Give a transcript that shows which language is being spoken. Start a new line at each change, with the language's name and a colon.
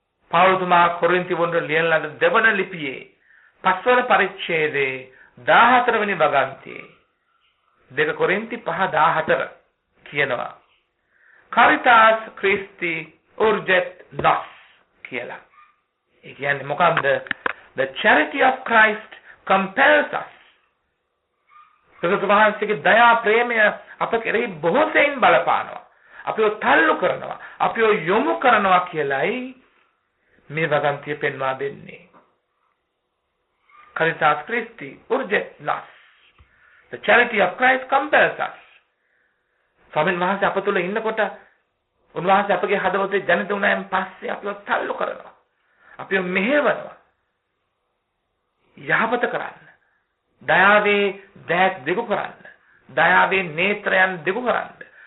Sinhala: පාවුතුමා කොරින්ති වොන්ඩ ලියන ලද දෙවන ලිපියේ පස්වන පරිච්ඡේදේ 14 වෙනි වගන්තියේ 2 කොරින්ති 5:14 කියනවා
Latin: කරිතාස් ක්‍රිස්ති උර්ජෙත් නොස්
Sinhala: කියලා. ඒ කියන්නේ මොකක්ද?
English: The charity of Christ compels us.
Sinhala: සතර වහන්සේගේ දයා ප්‍රේමය අප කෙරෙහි බොහෝ සෙයින් බලපානවා. අපිව තල්ලු කරනවා. අපිව යොමු කරනවා කියලයි මේ වගන්තිය පෙන්වා දෙන්නේ.
Latin: කරිතාස් ක්‍රිස්ති උර්ජෙත් නොස්.
English: The charity of Christ compels us.
Sinhala: ස්වාමීන් වහන්සේ අප තුළ ඉන්නකොට උන්වහන්සේ අපගේ හදවතේ ජනිත වුණායින් පස්සේ අපිව තල්ලු කරනවා. අපිව මෙහෙවනවා. යහපත කරන්න. දයාවේ දෑත් දිගු කරන්න. දයාවේ නේත්‍රයන් දිගු කරන්න.